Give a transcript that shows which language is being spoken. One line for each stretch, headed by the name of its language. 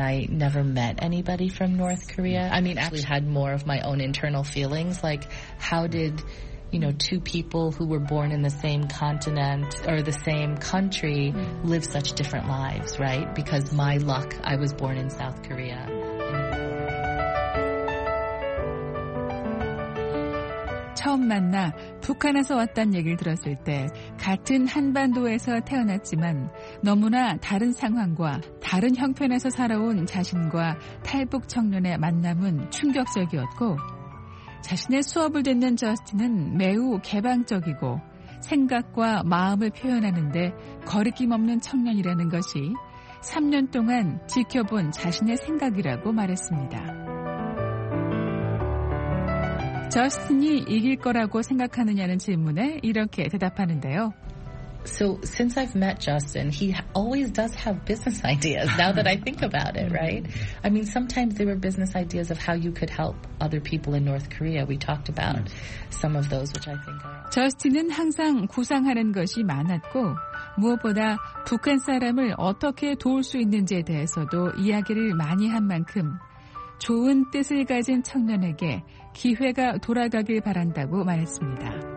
English: I never met anybody from North Korea. I mean, actually had more of my own internal feelings, like how did, you know, two people who were born in the same continent or the same country live such different lives, right? Because my luck, I was born in South Korea.
Korean: 처음 만나 북한에서 왔다는 얘기를 들었을 때 같은 한반도에서 태어났지만 너무나 다른 상황과 다른 형편에서 살아온 자신과 탈북 청년의 만남은 충격적이었고 자신의 수업을 듣는 저스틴은 매우 개방적이고 생각과 마음을 표현하는데 거리낌 없는 청년이라는 것이 3년 동안 지켜본 자신의 생각이라고 말했습니다. 저스틴이 이길 거라고 생각하느냐는 질문에 이렇게 대답하는데요.
English: So since I've met Justin, he always does have business ideas, now that I think about it, right? I mean, sometimes there were business ideas of how you could help other people in North Korea. We talked about some of those, which I think are...
Korean: Justin은 항상 구상하는 것이 많았고, 무엇보다 북한 사람을 어떻게 도울 수 있는지에 대해서도 이야기를 많이 한 만큼 좋은 뜻을 가진 청년에게 기회가 돌아가길 바란다고 말했습니다.